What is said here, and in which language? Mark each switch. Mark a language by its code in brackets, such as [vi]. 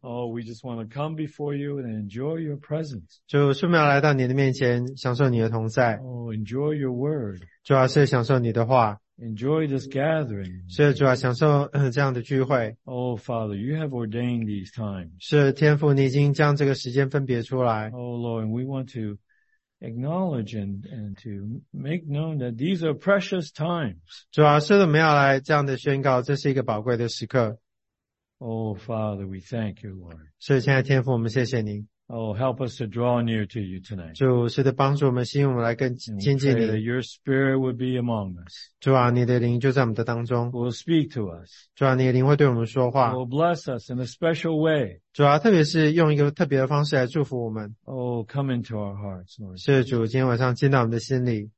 [en] Oh, we just want to come before you and enjoy your presence. [zh] 主，是我们要来到你的面前，享受你的同在。 [en] Oh, enjoy your word. [zh] 主啊，是享受你的话。 [en] Enjoy this gathering. [zh] 是主啊，享受这样的聚会。 [en] Oh, Father, you have ordained these times. [zh] 是天父，你已经将这个时间分别出来。 [en] Oh, Lord, and we want to. Acknowledge and to make known that these are precious times. [zh] 主啊，是的，我们要来这样的宣告，这是一个宝贵的时刻。 [en] Oh, Father, we thank you, Lord. [zh] 是的，亲爱的天父，我们谢谢您。 [en] Oh, help us to draw near to you tonight. [zh] 主，是的，帮助我们，吸引我们来更亲近你。 [en] And pray that your spirit would be among us. [zh] 主啊，你的灵就在我们的当中。 [en] Will speak to us. [zh] 主啊，你的灵会对我们说话。 [en] Will bless us in a special way. [zh] 主啊，特别是用一个特别的方式来祝福我们。 [en] Oh, come into our hearts, Lord. [zh] 谢谢主，今天晚上进到我们的心里。